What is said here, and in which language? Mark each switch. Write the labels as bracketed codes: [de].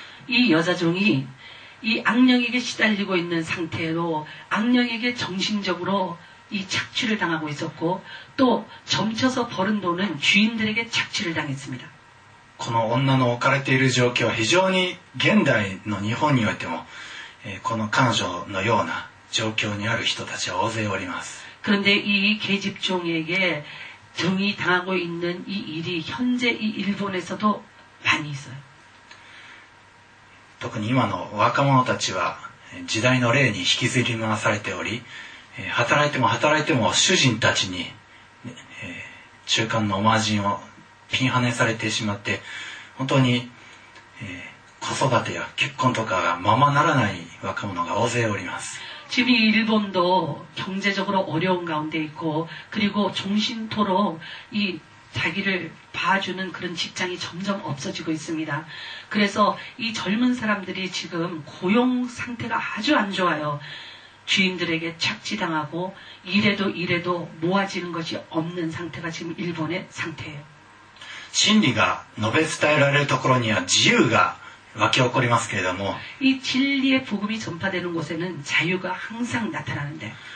[ko] 이여자종이이악령에게시달리고있는상태로악령에게정신적으로이착취를당하고있었고또점쳐서벌은돈은주인들에게착취를당했습니다 [ja] この女の置かれている状況は非常に現代の日本においてもこの彼女のような状況にある人たちは大勢おります [ko] 그런데이계집종에게종이당하고있는이일이현재이일본에서도많이있어요 [ja] 特に今の若者たちは時代の霊に引きずり回されており働いても働いても主人たちに中間のおまじんをピンハネされてしまって本当に子育てや結婚とかがままならない若者が大勢おります [ko] 지금일본도경제적으로어려운가운데있고그리고종신토록이자기를봐주는그런직장이점점없어지고있습니다그래서이젊은사람들이지금고용상태가아주안좋아요주인들에게착취당하고일해도일해도모아지는것이없는상태가지금일본의상태예요 진리가 [ja] 述べ伝えられるところには自由が湧き起こりますけれども [ko] 이진리의복음이전파되는곳에는자유가항상나타나는데